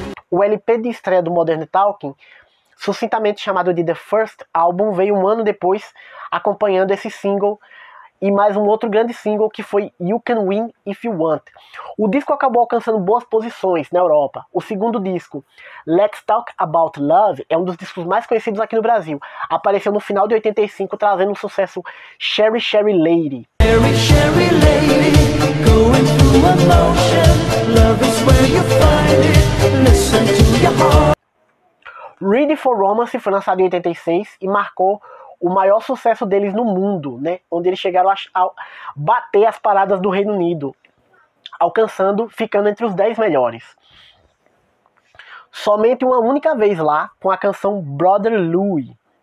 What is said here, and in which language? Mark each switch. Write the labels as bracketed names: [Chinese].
[Portuguese] O LP de estreia do Modern Talking, sucintamente chamado de The First Album, veio um ano depois acompanhando esse single, e mais um outro grande single que foi You Can Win If You Want. O disco acabou alcançando boas posições na Europa. O segundo disco, Let's Talk About Love, é um dos discos mais conhecidos aqui no Brasil. Apareceu no final de 85 trazendo o sucesso Sherry Sherry Lady. [English] Sherry Sherry Lady, going through emotion, love is where you find it, listen to your heart. [Portuguese] Ready for Romance foi lançado em 86 e marcou o maior sucesso deles no mundo, né? Onde eles chegaram a bater as paradas do Reino Unido, alcançando, ficando entre os 10 melhores. Somente uma única vez lá, com a canção Brother Louie.